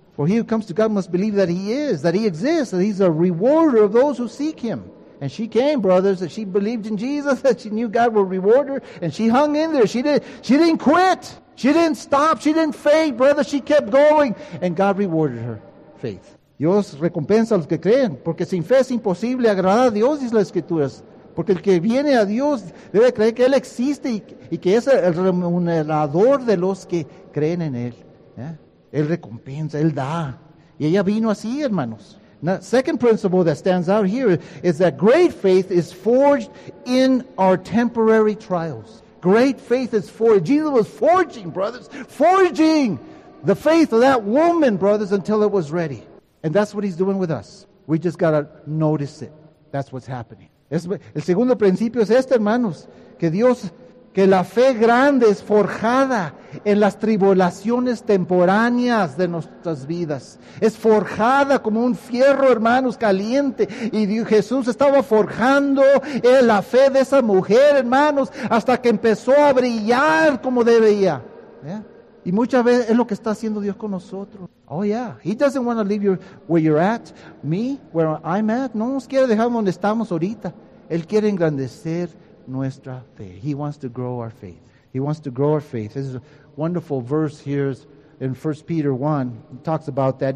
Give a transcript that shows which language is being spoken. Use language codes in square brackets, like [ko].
[en] For he who comes to God must believe that he is, that he exists, that he's a rewarder of those who seek him. And she came, brothers, and she believed in Jesus, that she knew God would reward her, and she hung in there. She didn't quit. She didn't stop. She didn't faint, brother. She kept going, and God rewarded her faith. [es] Dios recompensa a los que creen, porque sin fe es imposible agradar a Dios, dice la Escritura. Porque el que viene a Dios debe creer que Él existe y que es el remunerador de los que creen en Él. ¿Eh? Él recompensa, Él da. Y ella vino así, hermanos. [en] Now, second principle that stands out here is that great faith is forged in our temporary trials. Great faith is forged. Jesus was forging, brothers, forging the faith of that woman, brothers, until it was ready. And that's what he's doing with us. We just got to notice it. That's what's happening. [es] El segundo principio es este, hermanos, que la fe grande es forjada en las tribulaciones temporáneas de nuestras vidas. Es forjada como un fierro, hermanos, caliente. Y Jesús estaba forjando la fe de esa mujer, hermanos, hasta que empezó a brillar como debía. [en] Yeah. [es] Y muchas veces es lo que está haciendo Dios con nosotros. [en] Oh, yeah. He doesn't want to leave you where you're at. Me, where I'm at. [es] No nos quiere dejar donde estamos ahorita. Él quiere engrandecer nuestra fe. [en] He wants to grow our faith. He wants to grow our faith. This is a wonderful verse here in 1 Peter 1. It talks about that.